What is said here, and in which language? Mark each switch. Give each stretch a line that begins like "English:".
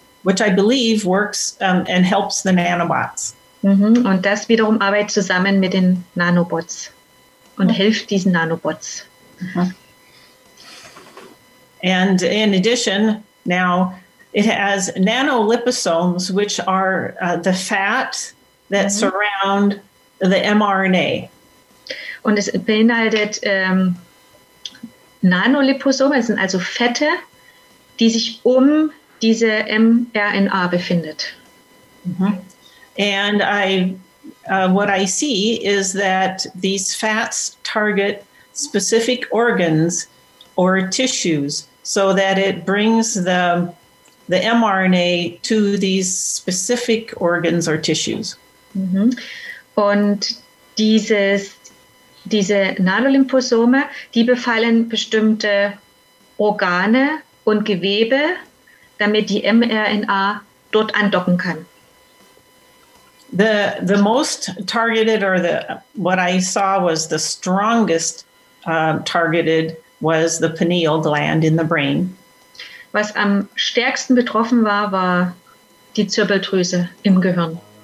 English: which I believe works and helps the nanobots. Mhm.
German: Und das wiederum arbeitet zusammen mit den Nanobots und hilft diesen Nanobots. Mhm.
English: And in addition, now it has nanoliposomes, which are the fat that surround the mRNA.
German: Und es beinhaltet Nanoliposome, das sind also Fette, die sich um diese mRNA befindet. Mm-hmm.
English: And I, what I see is that these fats target specific organs or tissues, so that it brings the mRNA to these specific organs or tissues. Mm-hmm.
German: Und diese Nanoliposome, die befallen bestimmte Organe und Gewebe, damit die mRNA dort andocken kann.
English: The most targeted, or the what I saw was the strongest targeted, was the pineal gland in the brain.
German: Was am stärksten betroffen war, war die Zirbeldrüse im Gehirn.